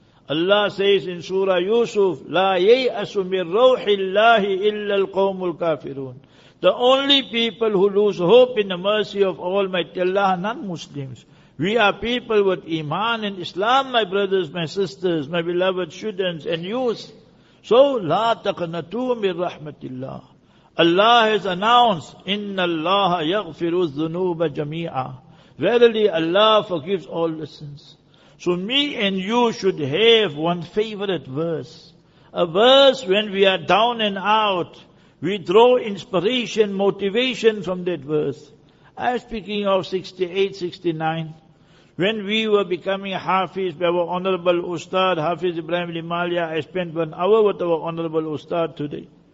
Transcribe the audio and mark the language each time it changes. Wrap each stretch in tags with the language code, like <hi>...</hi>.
<en>Allah says in Surah Yusuf,</en> <ar>La yay'asu min rawhillahi illa al-qawmul kafirun.</ar> <en>The only people who lose hope in the mercy of Almighty Allah are non-Muslims. We are people with Iman and Islam, my brothers, my sisters, my beloved students and youth. So,</en> <ar>لا تقنطوا من رحمة الله.</ar> <en>Allah has announced,</en> <ar>إِنَّ اللَّهَ يَغْفِرُ الذُّنُوبَ جَمِيعًا.</ar> <en>Verily, Allah forgives all the sins. So me and you should have one favorite verse. A verse when we are down and out, we draw inspiration, motivation from that verse. I'm speaking of 68, 69. When we were becoming Hafiz by our Honorable Ustad, Hafiz Ibrahim Limalia, I spent 1 hour with our Honorable Ustad today.</en>